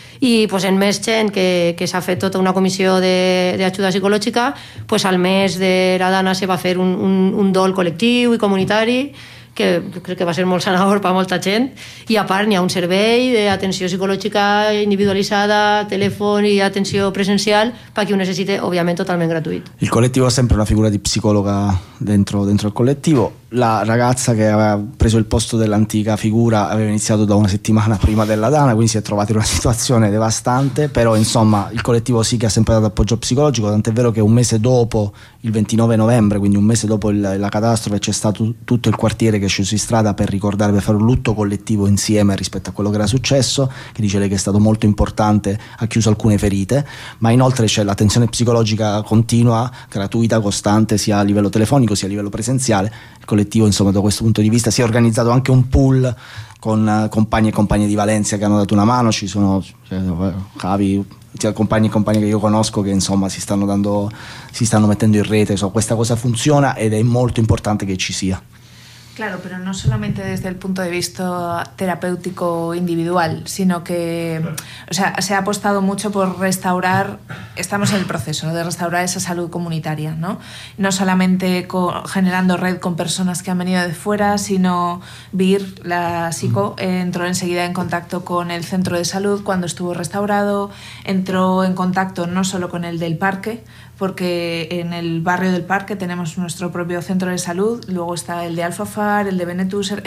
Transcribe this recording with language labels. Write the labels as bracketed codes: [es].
[ca] I pues, en més gent que s'ha fet tota una comissió d'ajuda psicològica, pues, al mes de la dana se va fer un dol col·lectiu i comunitari, que crec que va ser molt sanador per a molta gent, i a part n'hi ha un servei d'atenció psicològica individualitzada, telèfon i atenció presencial per a qui ho necessite, òbviament totalment gratuït. [it] Il collettivo ha sempre una figura di psicologa dentro il collettivo. La ragazza che aveva preso il posto dell'antica figura aveva iniziato da una settimana prima della dana, quindi si è trovata in una situazione devastante, però insomma il collettivo sì che ha sempre dato appoggio psicologico, tant'è vero che un mese dopo il 29 novembre, quindi un mese dopo la catastrofe, c'è stato tutto il quartiere che è sceso in strada per ricordare, per fare un lutto collettivo insieme rispetto a quello che era successo, che dice lei che è stato molto importante, ha chiuso alcune ferite, ma inoltre c'è l'attenzione psicologica continua, gratuita, costante, sia a livello telefonico sia a livello presenziale. Collettivo, insomma, da questo punto di vista si è organizzato anche un pool con compagni e compagne di Valencia che hanno dato una mano, ci sono cavi, compagni e compagni che io conosco che insomma si stanno mettendo in rete, insomma, questa cosa funziona ed è molto importante che ci sia. [es] Claro, pero no solamente desde el punto de vista terapéutico individual, sino que, o sea, se ha apostado mucho por restaurar, estamos en el proceso, ¿no?, de restaurar esa salud comunitaria, ¿no? No solamente generando red con personas que han venido de fuera, sino Vir, la psico, entró enseguida en contacto con el centro de salud cuando estuvo restaurado, entró en contacto no solo con el del parque, porque en el barrio del parque tenemos nuestro propio centro de salud, luego está el de Alfafar, el de Benetuser.